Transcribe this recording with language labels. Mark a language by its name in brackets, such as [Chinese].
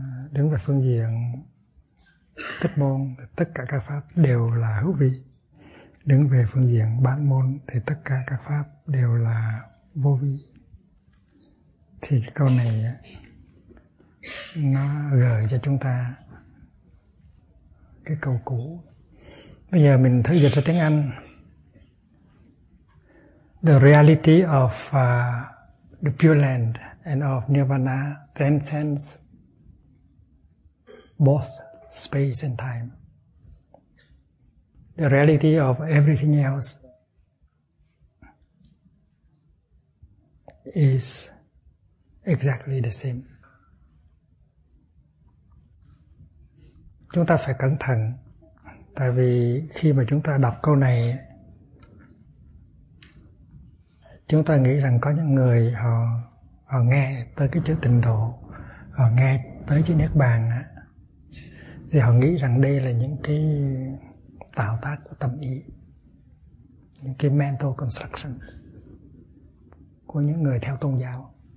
[Vietnamese] Đứng về phương diện tích môn thì tất cả các pháp đều là hữu vi, đứng về phương diện bản môn thì tất cả các pháp đều là vô vi. Thì cái câu này nó gợi cho chúng ta cái câu cũ. Bây giờ mình thử dịch ra tiếng Anh. [English] The reality of the Pure Land and of Nirvana transcends both space and time. The reality of everything else is exactly the same. [Vietnamese] Chúng ta phải cẩn thận, tại vì khi mà chúng ta đọc câu này, chúng ta nghĩ rằng có những người họ nghe tới cái chữ tịnh độ, họ nghe tới chữ niết bàn á, thì họ nghĩ rằng đây là những cái tạo tác của tâm ý, những cái [English] mental construction [Vietnamese] của những người theo tôn giáo.